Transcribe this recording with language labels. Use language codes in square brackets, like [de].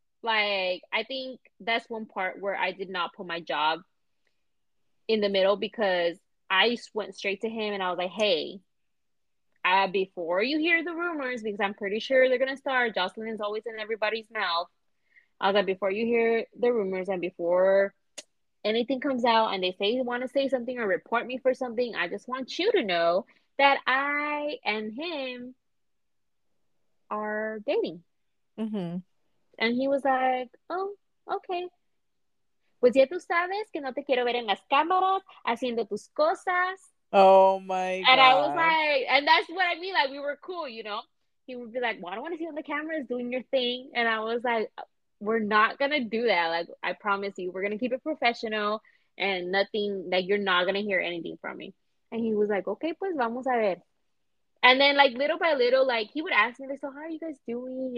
[en] Like, I think that's one part where I did not put my job in the middle, because I just went straight to him and I was like, hey, before you hear the rumors, because I'm pretty sure they're gonna start, Jocelyn is always in everybody's mouth, I was like, before you hear the rumors and before anything comes out and they say they want to say something or report me for something, I just want you to know that I and him are dating. Mm-hmm. And he was like, oh, okay. [es] Pues ya tú sabes que no te quiero ver en las cámaras haciendo tus cosas. [en] Oh my God. And I was like, and that's what I mean. Like, we were cool, you know? He would be like, well, I don't want to see you on the cameras doing your thing. And I was like, we're not going to do that. Like, I promise you, we're going to keep it professional and nothing, like, you're not going to hear anything from me. And he was like, okay, [es] pues vamos a ver. [en] And then, like, little by little, like, he would ask me, like, so how are you guys doing?